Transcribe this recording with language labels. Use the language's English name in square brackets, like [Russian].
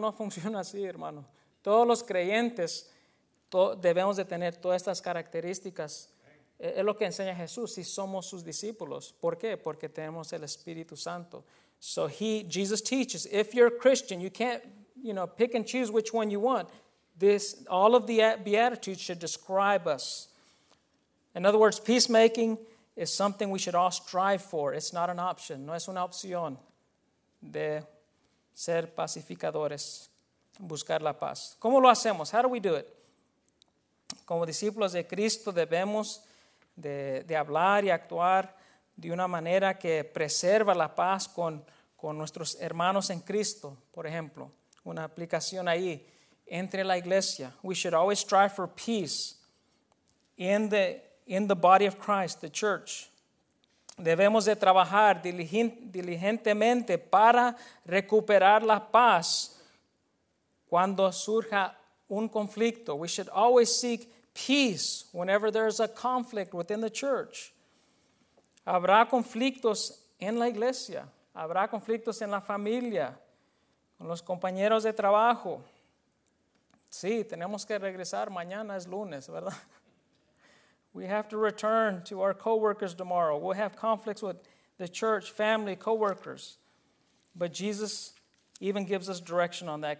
[Spanish] No funciona así, hermano. Todos los creyentes debemos de tener todas estas características. Es lo que enseña Jesús, si somos sus discípulos. ¿Por qué? Porque tenemos el Espíritu Santo. [English] So Jesus teaches, if you're a Christian, you can't, you know, pick and choose which one you want. All of the Beatitudes should describe us. In other words, peacemaking is something we should all strive for. It's not an option. [Spanish] No es una opción de ser pacificadores, buscar la paz. ¿Cómo lo hacemos? [English] How do we do it? [Spanish] Como discípulos de Cristo debemos de hablar y actuar de una manera que preserva la paz con nuestros hermanos en Cristo. Por ejemplo, una aplicación ahí entre la iglesia. [English] We should always strive for peace in the body of Christ, the church. [Spanish] Debemos de trabajar diligentemente para recuperar la paz cuando surja un conflicto. [English] We should always seek peace whenever there is a conflict within the church. [Spanish] Habrá conflictos en la iglesia. Habrá conflictos en la familia, con los compañeros de trabajo. Sí, tenemos que regresar. Mañana es lunes, ¿verdad? [English] We have to return to our co-workers tomorrow. We'll have conflicts with the church, family, co-workers. But Jesus even gives us direction on that.